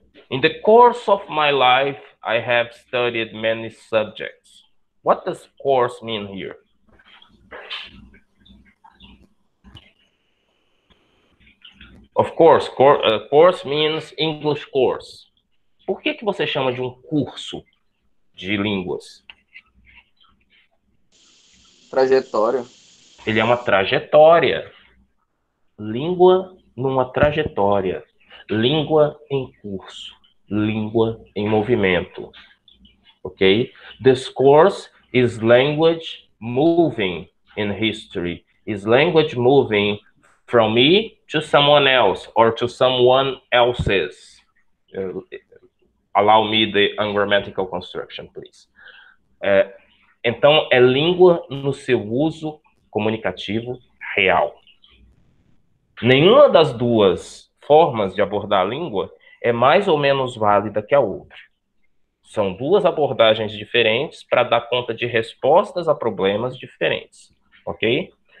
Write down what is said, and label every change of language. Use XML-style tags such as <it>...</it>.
<en>In the course of my life, I have studied many subjects. What does course mean here? Of course, course means English course.</en> <pt>Por que que você chama de curso de línguas? Trajetória. Ele é uma trajetória. Língua numa trajetória. Língua em curso. Língua em movimento. Ok?</pt> <en>This course is language moving in history. Is language moving from me to someone else or to someone else's. Allow me the ungrammatical construction, please.</en> <pt>Então, é língua no seu uso comunicativo real. Nenhuma das duas formas de abordar a língua é mais ou menos válida que a outra. São duas abordagens diferentes para dar conta de respostas a problemas diferentes. Ok?</pt>